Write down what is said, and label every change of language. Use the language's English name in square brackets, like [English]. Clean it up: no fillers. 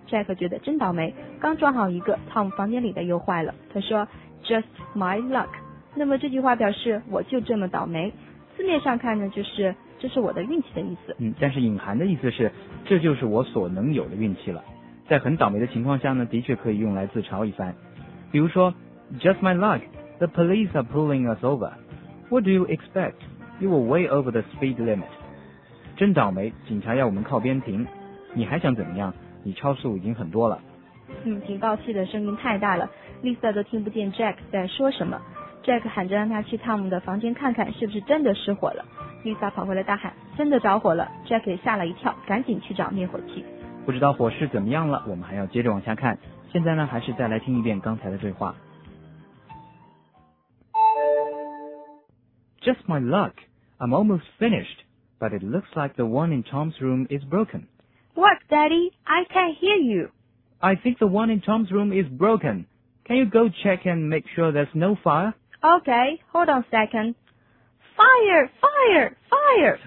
[Chinese] Jack 觉得真倒霉，刚装好一个 ，Tom 房间里的又坏了。他说 ： [English] “Just my luck。” [Chinese] 那么这句话表示我就这么倒霉。字面上看呢，就是这是我的运气的意思。但是隐含的意思是这就是我所能有的运气了。在很倒霉的情况下呢，的确可以用来自嘲一番。比如说 [English] Just my luck, the police are pulling us over. What do you expect? You were way over the speed limit. [Chinese] 真倒霉，警察要我们靠边停，你还想怎么样？你超速已经很多了。警报器的声音太大了， Lisa 都听不见 Jack 在说什么。 Jack 喊着让他去 Tom 的房间看看是不是真的失火了。 Lisa 跑回来大喊真的着火了， Jack 也吓了一跳，赶紧去找灭火器。不知道火势怎么样了，我们还要接着往下看。现在呢，还是再来听一遍刚才的对话。 [English] Just my luck, I'm almost finished, but it looks like the one in Tom's room is broken. What, Daddy? I can't hear you. I think the one in Tom's room is broken. Can you go check and make sure there's no fire? Okay, hold on a second. Fire, fire, fire!